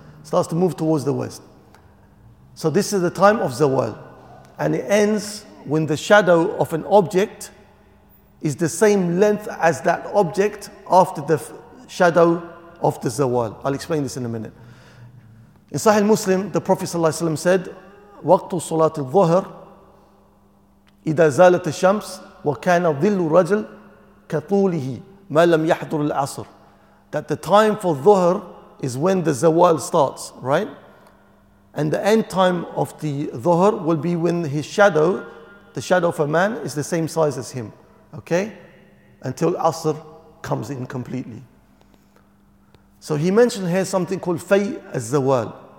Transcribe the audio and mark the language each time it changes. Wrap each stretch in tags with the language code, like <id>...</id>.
<en>Starts to move towards the west. So this is the time of Zawal. And it ends when the shadow of an object is the same length as that object after the shadow of the Zawal. I'll explain this in a minute. In Sahih Muslim, the Prophet ﷺ said,</en> <ar>وقت صلاة الظهر إذا زالت الشمس وكان ظل رجل كطوله ما لم يحضر العصر.</ar> <en>That the time for Dhuhr is when the Zawal starts, right? And the end time of the Dhuhr will be when his shadow, the shadow of a man, is the same size as him, okay? Until Asr comes in completely. So he mentioned here something called Fay al-Zawal.</en>